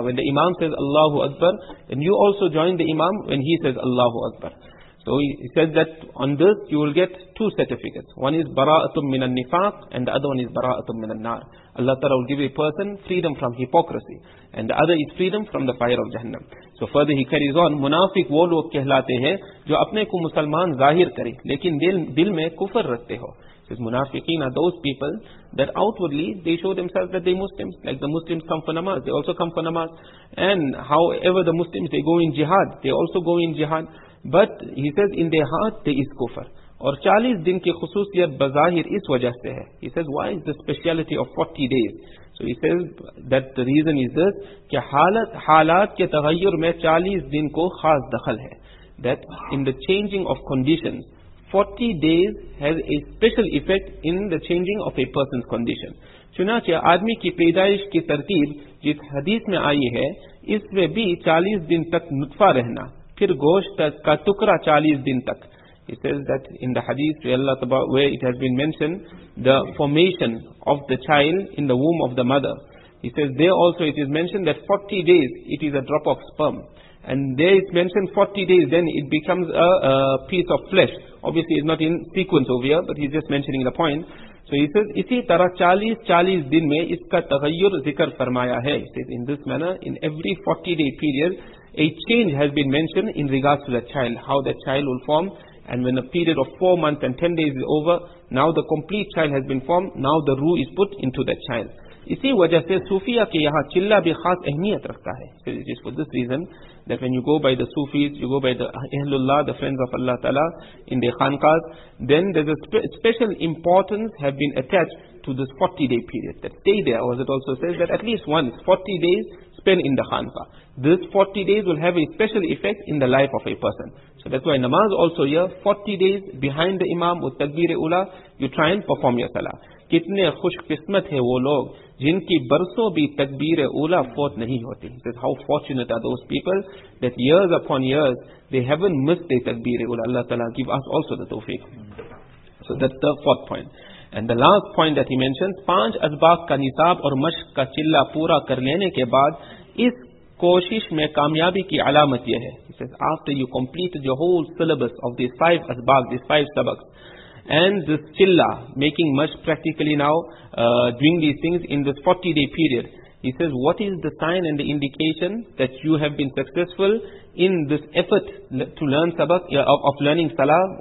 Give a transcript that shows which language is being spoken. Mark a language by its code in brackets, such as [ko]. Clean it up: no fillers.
[en] When the imam says Allahu Akbar, and you also join the imam when he says Allahu Akbar. So he says that on this, you will get two certificates. One is [ar] bara'atum minan nifaq, [en] and the other one is [ar] bara'atum minan nar. [en] Allah Ta'ala will give a person freedom from hypocrisy. And the other is freedom from the fire of Jahannam. So further he carries on, [ur] منافق وہ لوگ کہلاتے ہیں جو اپنے کو مسلمان ظاہر کریں لیکن دل میں کفر رکھتے ہو. [en] منافقین are those people that outwardly they show themselves that they Muslims, like the Muslims come for namaz, they also come for namaz, and however the Muslims they go in jihad, they also go in jihad, but he says in their heart they is kufr. [ur] اور 40 دن کی خصوصیت بظاہر اس وجہ سے ہے. [en] He says, why is the speciality of 40 days? So he says that the reason is this, [ur] کہ حالات کے تغیر میں 40 دن کو خاص دخل ہے. [en] That in the changing of conditions, 40 days has a special effect in the changing of a person's condition. [ur] چنانچہ آدمی کی پیدائش کی ترتیب جس حدیث میں آئی ہے اس میں بھی 40 دن تک نطفہ رہنا پھر گوشت کا ٹکڑا 40 دن تک. [en] He says that in the hadith where Allah Taba, where it has been mentioned, the formation of the child in the womb of the mother. He says there also it is mentioned that 40 days it is a drop of sperm. And there it's mentioned 40 days, then it becomes a piece of flesh. Obviously it's not in sequence over here, but he's just mentioning the point. So he says, [ur] اسی طرح 40 دن میں اس کا تغیر ذکر فرمایا ہے. [en] He says, in this manner, in every 40 day period, a change has been mentioned in regards to the child, how the child will form. And when a period of 4 months and 10 days is over, now the complete child has been formed, now the ruh is put into that child. [ur] اسی وجہ سے صوفیہ کے یہاں چلہ بھی خاص اہمیت رکھتا ہے. [en] So it is for this reason that when you go by the Sufis, you go by the Ahlullah, the friends of Allah Ta'ala in their khanqahs, then there's a special importance have been attached to this 40 day period. That stay there, as it also says, that at least once, 40 days spent in the khanqah. This 40 days will have a special effect in the life of a person. So that's why namaz also here, 40 days behind the imam with takbir-e-ula, you try and perform your salah. [ur] کتنے خوش قسمت ہیں وہ لوگ جن کی برسوں بھی تکبیر اولی فوت نہیں ہوتی. [en] He says, how fortunate are those people that years upon years they haven't missed their تکبیر اولی. Allah Ta'ala give us also the tawfiq. So that's the fourth point. And the last point that he mentions, [ur] پانچ اسباق کا نصاب اور مشق کا چلہ پورا کر لینے کے بعد اس کوشش میں کامیابی کی علامت یہ ہے. [en] He says, after you complete the whole syllabus of these five asbaq, these five sabaks, and this chilla, making much practically now, doing these things in this 40 day period. He says, what is the sign and the indication that you have been successful in this effort to learn sabak, of learning salah?